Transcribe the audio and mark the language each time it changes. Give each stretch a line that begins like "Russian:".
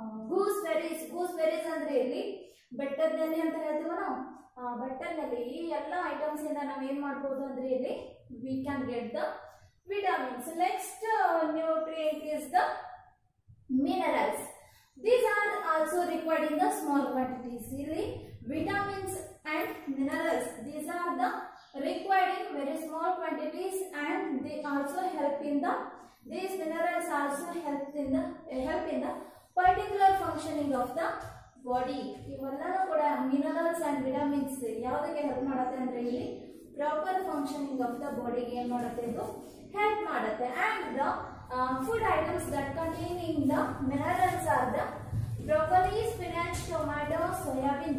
Kannada: Goose berries goose berries ಅಂದ್ರೆ ಇಲ್ಲಿ ಬೆಟ್ಟದಲ್ಲಿ ಅಂತ ಹೇಳ್ತೀವ ನಾವು ಬೆಟ್ಟದಲ್ಲಿ ಈ ಎಲ್ಲ ಐಟಮ್ಸ್ ಇಂದ ನಾವು ಏನ್ ಮಾಡ್ಬೋದು ಅಂದ್ರೆ ಇಲ್ಲಿ
English: we can get the vitamins next nutrient is the minerals these are also required in the small quantities
Kannada: ಇಲ್ಲಿ
English: Vitamins and minerals these are the required in very small quantities, and they also help in the, these minerals also help in the particular functioning of the body.
Kannada: ಇವೆಲ್ಲನೂ ಕೂಡ
English: minerals and vitamins
Kannada: ಯಾವುದಕ್ಕೆ help ಮಾಡುತ್ತೆ ಅಂದ್ರೆ ಇಲ್ಲಿ
English: proper functioning of the
Kannada: ಬಾಡಿಗೆ ಏನ್ ಮಾಡುತ್ತೆ ಇದು ಹೆಲ್ಪ್ ಮಾಡುತ್ತೆ.
English: And the food items that contain in the minerals are the broccoli, spinach, tomato, soybean.